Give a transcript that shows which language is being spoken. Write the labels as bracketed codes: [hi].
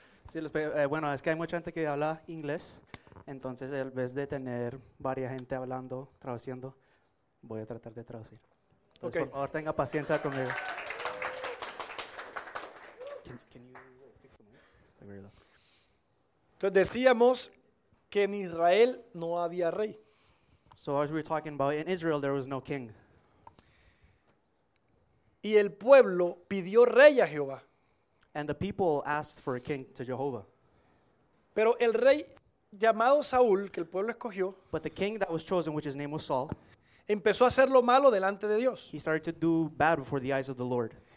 [es] Sí, bueno, es que hay mucha gente que habla inglés, entonces en vez de tener varias gente hablando, traduciendo, voy a tratar de traducir. Entonces, okay. Por favor, tenga paciencia conmigo. Entonces decíamos que en Israel no había rey. [en] So as we were talking about, in Israel there was no king. [es] Y el pueblo pidió rey a Jehová. [en] And the people asked for a king to Jehovah. [es] Pero el rey llamado Saúl, que el pueblo escogió, [en] but the king that was chosen, which his name was Saul, [es] empezó a hacer lo malo delante de Dios. [en] He started to do bad before the eyes of the Lord.